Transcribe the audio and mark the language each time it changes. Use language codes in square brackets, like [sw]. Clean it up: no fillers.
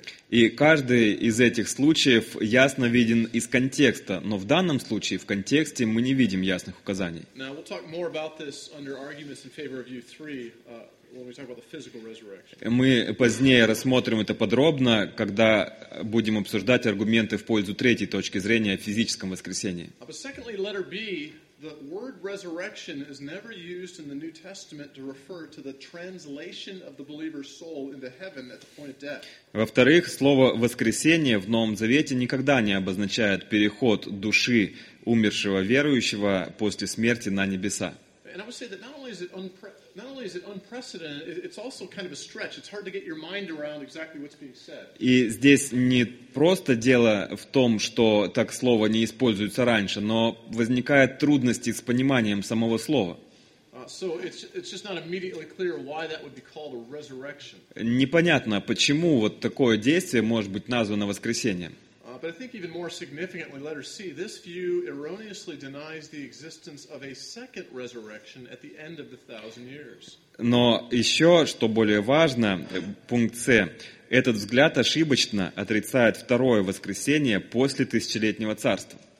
[ru] И каждый из этих случаев ясно виден из контекста, но в данном случае в контексте мы не видим ясных указаний. [en] Now we'll talk more about this under arguments in favor of view 3. When we talk about the physical resurrection. [ru] Мы позднее рассмотрим это подробно, когда будем обсуждать аргументы в пользу третьей точки зрения о физическом воскресении. [en] But secondly, letter B, the word resurrection is never used in the New Testament to refer to the translation of the believer's soul into heaven at the point of death. [ru] Во-вторых, слово «воскресение» в Новом Завете никогда не обозначает переход души умершего верующего после смерти на небеса. [en] And I would say that not only is it unprecedented. not only is it unprecedented, it's also kind of a stretch. It's hard to get your mind around exactly what's being said. [ru] И здесь не просто дело в том, что так слово не используется раньше, но возникают трудности с пониманием самого слова. [en] So it's just not immediately clear why that would be called a resurrection. [ru] Непонятно, почему вот такое действие может быть названо воскресением. [en] But I think even more significantly, letter C, this view erroneously denies the existence of a second resurrection at the end of the thousand years. [ru] Но еще, что более важно, пункт С, этот взгляд ошибочно отрицает второе воскресение после тысячелетнего царства.